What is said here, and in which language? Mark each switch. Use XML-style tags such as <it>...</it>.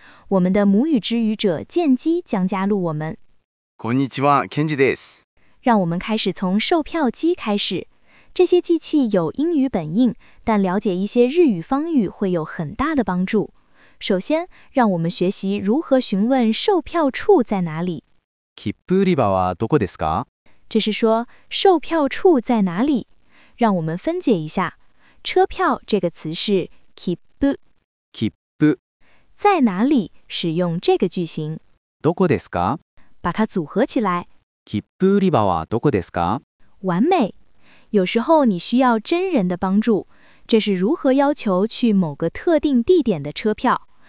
<zh>我们的母语之语者健基将加入我们。</zh> <ja>こんにちは、健基です。</ja> <zh>让我们开始从售票机开始。这些机器有英语本印，但了解一些日语方语会有很大的帮助。首先，让我们学习如何询问售票处在哪里。</zh> <ja>切符売り場はどこですか？</ja> <zh>这是说售票处在哪里。让我们分解一下，车票这个词是切符。</zh> <ja>切符。</ja> <zh>在哪里使用这个句型？</zh> <ja>どこですか？</ja> <zh>把它组合起来。</zh> <ja>切符売り場はどこですか？</ja> <zh>完美。有时候你需要真人的帮助，这是如何要求去某个特定地点的车票。</zh>